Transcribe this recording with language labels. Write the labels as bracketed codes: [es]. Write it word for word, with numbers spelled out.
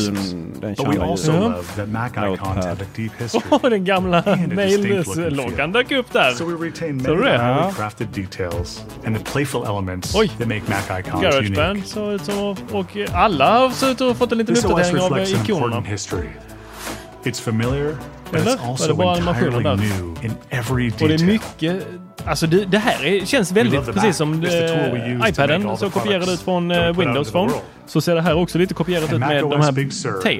[sv] kända. Åh, den gamla mail-loggan dök upp där. Så du det? Ja. GarageBand såg ut som, och alla har sett och fått en liten uppdatering av ikonerna. [en] It's familiar, but it's also entirely new in every detail. [sv] Och det är mycket. Alltså det, det här är, känns väldigt precis som uh, iPaden så kopierad ut från uh, Windows Phone. Så ser det här också lite kopierat ut med de här tilesen.